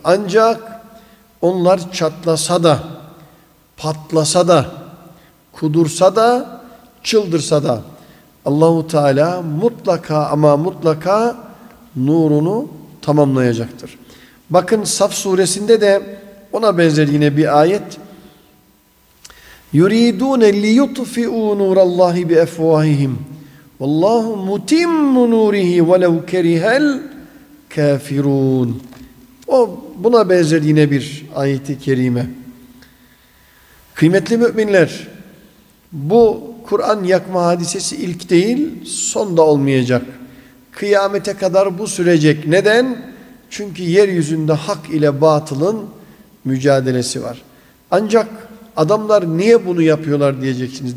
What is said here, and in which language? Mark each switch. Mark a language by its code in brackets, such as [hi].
[tr] Ancak onlar çatlasa da, patlasa da, kudursa da, çıldırsa da Allah-u Teala mutlaka ama mutlaka nurunu tamamlayacaktır. Bakın Saf suresinde de ona benzer yine bir ayet. [ar] يُرِيدُونَ لِيُطْفِعُوا نُورَ اللّٰهِ بِأَفْوَاهِهِمْ وَاللّٰهُ مُتِمُّ نُورِهِ وَلَوْ كَرِهَ الْكَافِرُونَ [tr] O buna benzer yine bir ayeti kerime. Kıymetli müminler, bu Kur'an yakma hadisesi ilk değil, son da olmayacak. Kıyamete kadar bu sürecek. Neden? Çünkü yeryüzünde hak ile batılın mücadelesi var. Ancak adamlar niye bunu yapıyorlar diyeceksiniz.